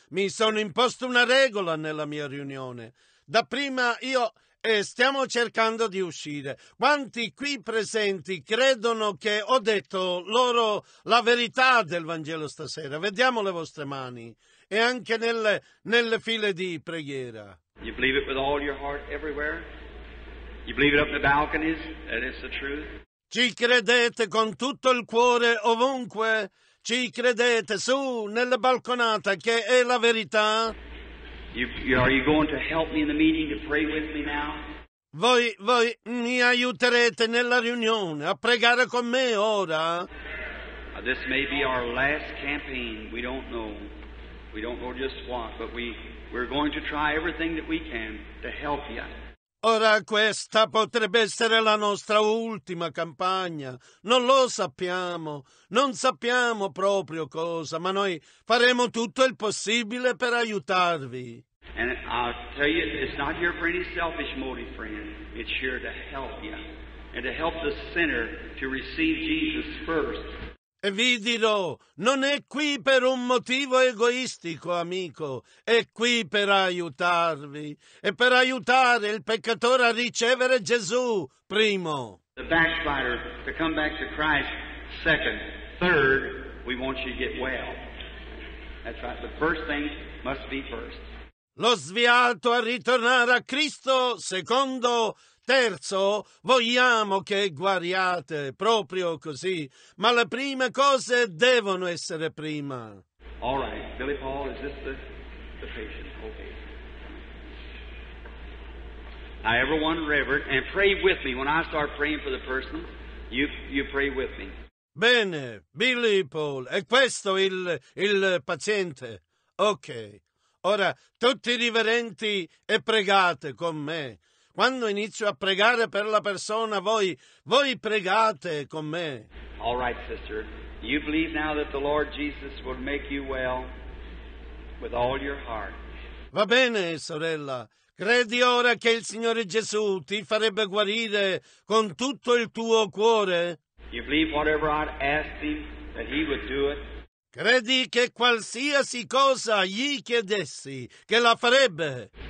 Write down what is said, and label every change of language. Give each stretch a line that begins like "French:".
Italian: Mi sono imposto una regola nella mia riunione. Da prima io stiamo cercando di uscire. Quanti qui presenti credono che ho detto loro la verità del Vangelo stasera? Vediamo le vostre mani e anche nelle file di preghiera.
English: You believe it with all your heart everywhere? You believe it up the balconies that it's the truth?
Italian: Ci credete con tutto il cuore ovunque? Ci credete su nella balconata che è la verità?
English: Are you going to help me in the meeting to pray with me now?
Italian: Voi mi aiuterete nella riunione a pregare con me ora?
English: This may be our last campaign. We don't know. We don't know just what, but we're going to try everything that we can to help you.
Italian: Ora questa potrebbe essere la nostra ultima campagna. Non lo sappiamo. Non sappiamo proprio cosa, ma noi faremo tutto il possibile per aiutarvi.
English: And I'll tell you, it's not here for any selfish motive, friend. It's here to help you. And to help the sinner to receive Jesus first.
Italian: E vi dirò, non è qui per un motivo egoistico, amico, è qui per aiutarvi e per aiutare il peccatore a ricevere Gesù, primo.
English: The backslider to come back to Christ, second. Third, we want you to get well. That's right, the first thing must be first.
Italian: Lo sviato a ritornare a Cristo, secondo. Terzo, vogliamo che guariate, proprio così. Ma le prime cose devono essere prima.
English: All right, Billy Paul, is this the patient? Okay. Now everyone reverent, and pray with me. When I start praying for the person, you pray with me.
Italian: Bene, Billy Paul, è questo il paziente? Ok. Ora, tutti riverenti e pregate con me. Quando inizio a pregare per la persona, voi pregate con me.
English: All right, sister. You believe now that the Lord Jesus will make you well with all your heart.
Italian: Va bene, sorella. Credi ora che il Signore Gesù ti farebbe guarire con tutto il tuo cuore?
English: You believe whatever I'd ask him that he would do it?
Italian: Credi che qualsiasi cosa gli chiedessi, che la farebbe?